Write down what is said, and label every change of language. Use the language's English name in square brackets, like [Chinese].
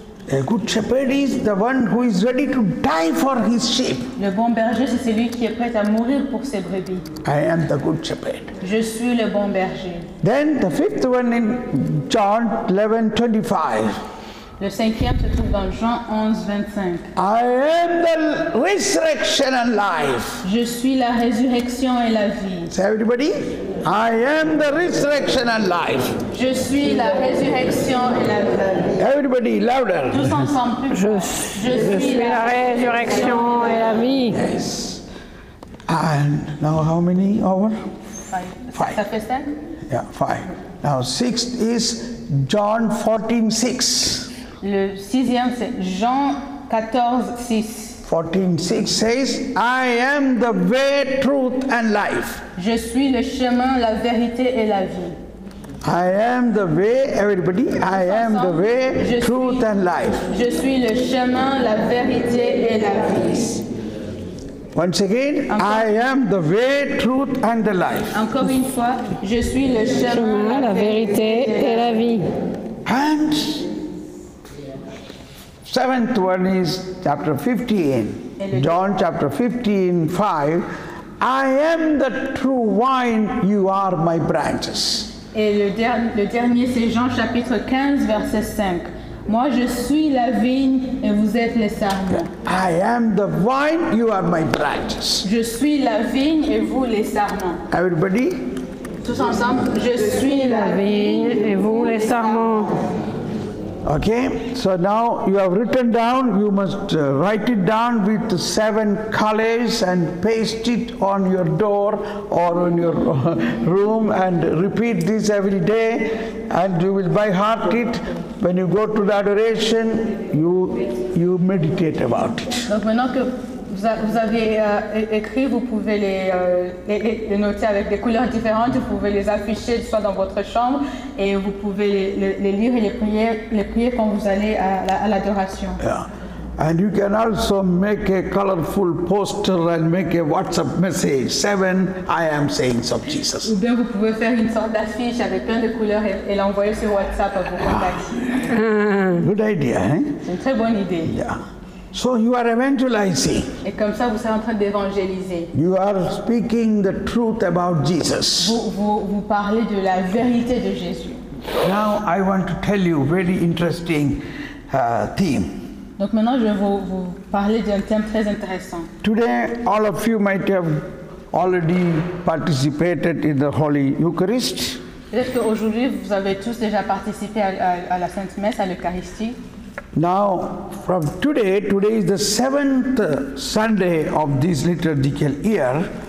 [English] A good shepherd is the one who is ready to die for his sheep. [French] Le bon berger, c'est celui qui est prêt à mourir pour ses brebis. [English] I am the good shepherd. [French] Je suis le bon berger. [English] Then the fifth one in John 11, 25. [French] Le cinquième se trouve dans Jean 11, 25. [English] I am the resurrection and life. [French] Je suis la résurrection et la vie. [English] Say everybody, I am the resurrection and life. [French] Je suis la résurrection et la vie. [English] Everybody louder. [French] Tous ensemble. Je suis la résurrection et la vie. [English] Yes. And now how many over? [French] Five. Ça fait cinq? [English] Yeah, five. Now sixth is John 14, 6. [French] Le sixième c'est Jean 14, 6. [English] 14, 6 says, I am the way, truth and life. [French] Je suis le chemin, la vérité et la vie. [English] I am the way, everybody, I am the way, truth and life. [French] Je suis le chemin, la vérité et la vie. [English] Once again, encore. I am the way, truth and the life. [French] Encore une fois, je suis le chemin, la vérité et la vie. [English] And seventh one is chapter 15, John chapter 15, 5, I am the true vine, you are my branches. [French] Et le dernier, c'est Jean chapitre 15, verset 5. Moi, je suis la vigne et vous êtes les sarments. [English] I am the vine, you are my branches. [French] Je suis la vigne et vous les sarments. [English] Everybody? [French] Tous ensemble, je suis la vigne et vous les sarments. [English] Okay, so now you have written down, you must write it down with seven colors and paste it on your door or on your room and repeat this every day and you will by heart it. When you go to the adoration, you meditate about it. [French] Donc maintenant que vous avez écrit, vous pouvez les noter avec des couleurs différentes, vous pouvez les afficher soit dans votre chambre et vous pouvez les lire et les prier quand vous allez à l'adoration. [English] Yeah. And you can also make a colorful poster and make a WhatsApp message. Seven I am sayings of Jesus. [French] Ou bien vous pouvez faire une sorte d'affiche avec plein de couleurs et l'envoyer sur WhatsApp à vos contacts. [English] Good idea, hein? [French] C'est une très bonne idée. [English] Yeah. So you are evangelizing. [French] Et comme ça, vous êtes en train d'évangéliser. [English] You are speaking the truth about Jesus. [French] Vous parlez de la vérité de Jésus. [English] Now I want to tell you very interesting theme. [French] Donc maintenant, je vais vous parler d'un thème très intéressant. [English] Today, all of you might have already participated in the Holy Eucharist. [French] Peut-être qu'aujourd'hui, vous avez tous déjà participé à la Sainte Messe, à l'Eucharistie. [English] Now, from today is the seventh Sunday of this liturgical year.